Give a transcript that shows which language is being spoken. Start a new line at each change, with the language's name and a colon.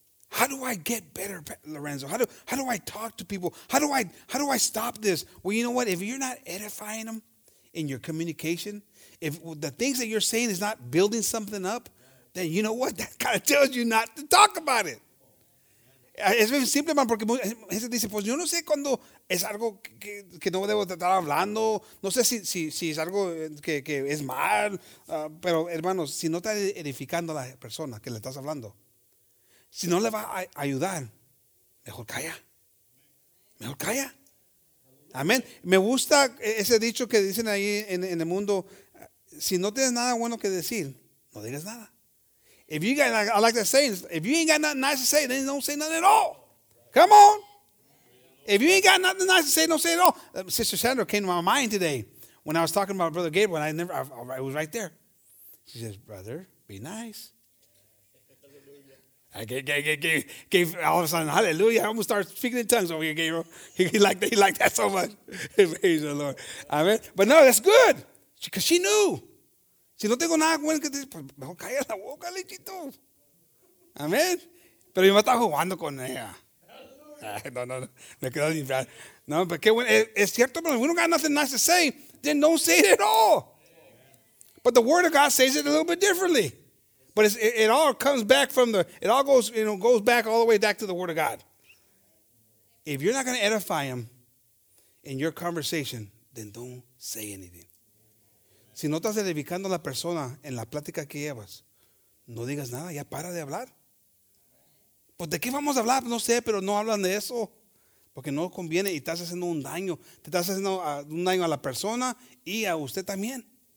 English: How do I get better, Lorenzo? How do I talk to people? How do I stop this? Well, you know what? If you're not edifying them in your communication, if the things that you're saying is not building something up, then you know what? That kind of tells you not to talk about it.
Spanish: Es bien simple, man, porque gente dice, pues yo no sé cuando es algo que no debo estar hablando. No sé si es algo que es mal. Pero, hermanos, si no estás edificando a la persona que le estás hablando, si no le va a ayudar, mejor calla. Mejor calla. Amén. Me gusta ese dicho que dicen ahí en el mundo. Si no tienes nada bueno que decir, no digas nada.
English: If you got, I like that saying, if you ain't got nothing nice to say, then don't say nothing at all. Come on. If you ain't got nothing nice to say, don't say it at all. Sister Sandra came to my mind today when I was talking about Brother Gabriel, and I was right there. She says, brother, be nice. I gave all of a sudden, hallelujah. I almost started speaking in tongues over here, Gabriel. He liked that so much. Praise the Lord. Amen. But no, that's good. Because she knew.
Spanish: Si no tengo nada bueno que decir, pues mejor calla la boca, lechito. Amén. Pero yo me estaba jugando con ella. No. Me quedo ni bien. No, pero qué bueno. Es cierto, pero
English: if we don't got nothing nice to say, then don't say it at all. But the word of God says it a little bit differently. But it all comes back from the, it all goes, you know, goes back all the way back to the word of God. If you're not going to edify them in your conversation, then don't say anything.
Spanish: Si no estás edificando a la persona en la plática que llevas, no digas nada, ya para de hablar. Pues de qué vamos a hablar, no sé, pero no hablan de eso. Porque no conviene y estás haciendo un daño. Te estás haciendo un daño a la persona y a usted también.